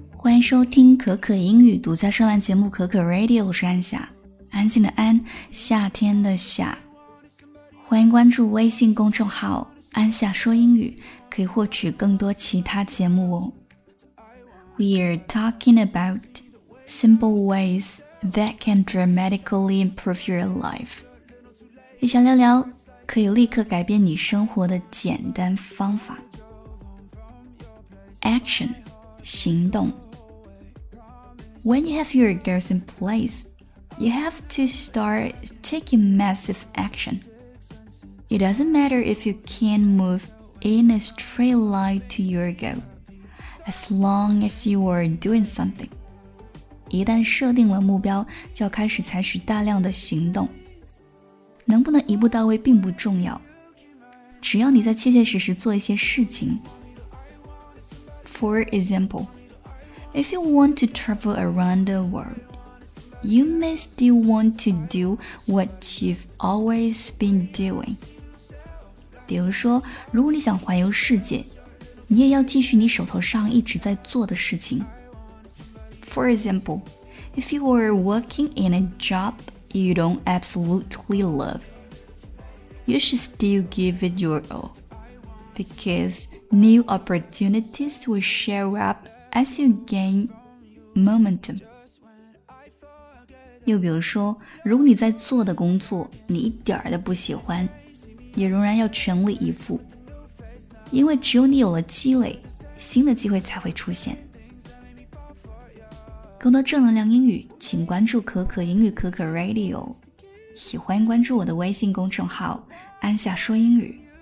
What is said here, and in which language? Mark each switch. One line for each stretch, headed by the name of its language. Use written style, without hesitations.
Chinese: 迎收听可可英语独家专栏节目可可 Radio， 我是安夏，安静的安，夏天的夏。欢迎关注微信公众号安夏说英语，可以获取更多其他节目哦。
English: We're talking about simple ways that can dramatically improve your life.
Chinese: 一起聊聊可以立刻改变你生活的简单方法。 Action, 行动。
English: When you have your goals in place, you have to start taking massive action. It doesn't matter if you can move in a straight line to your goal, as long as you are doing something.
Chinese: 一旦设定了目标，就要开始采取大量的行动。能不能一步到位并不重要，只要你在切切实实做一些事情。
English: For example, if you want to travel around the world, you may still want to do what you've always been doing.
Chinese: 比如说，如果你想环游世界，你也要继续你手头上一直在做的事情。
English: For example, if you are working in a job you don't absolutely love, you should still give it your all, because new opportunities will show up as you gain momentum.
Chinese: 又比如说，如果你在做的工作你一点儿都不喜欢，也仍然要全力以赴，因为只有你有了积累，新的机会才会出现。更多正能量英语，请关注可可英语可可 Radio， 也欢迎关注我的微信公众号安夏说英语。